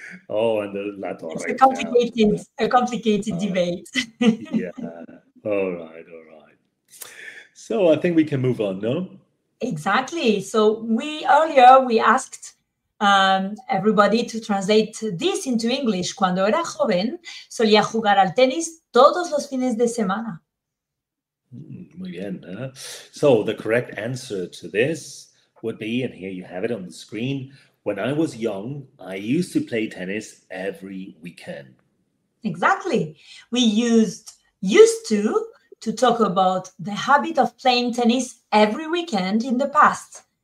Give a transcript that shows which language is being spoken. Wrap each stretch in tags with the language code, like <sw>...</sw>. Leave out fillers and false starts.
<en>Oh, and the Latour. It's a complicated debate. Yeah. All right. So I think we can move on, no? Exactly. So we asked everybody to translate this into English.</en> <es>Cuando era joven, solía jugar al tenis todos los fines de semana. Muy bien.</es> <en>So the correct answer to this would be, and here you have it on the screen, when I was young, I used to play tennis every weekend. Exactly. We used to talk about the habit of playing tennis every weekend in the past.</en>